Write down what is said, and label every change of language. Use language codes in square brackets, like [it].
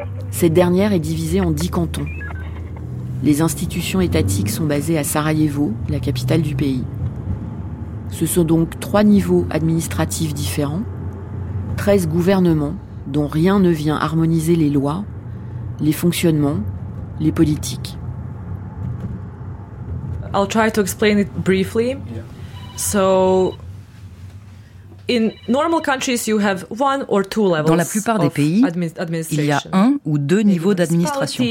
[fr] Cette dernière est divisée en 10 cantons. Les institutions étatiques sont basées à Sarajevo, la capitale du pays. Ce sont donc 3 niveaux administratifs différents, 13 gouvernements dont rien ne vient harmoniser les lois, les fonctionnements, les politiques. [en] I'll try to explain it briefly. Yeah. So in normal countries you have one or two levels. [fr] Dans la plupart des pays, il y a un ou deux niveaux d'administration.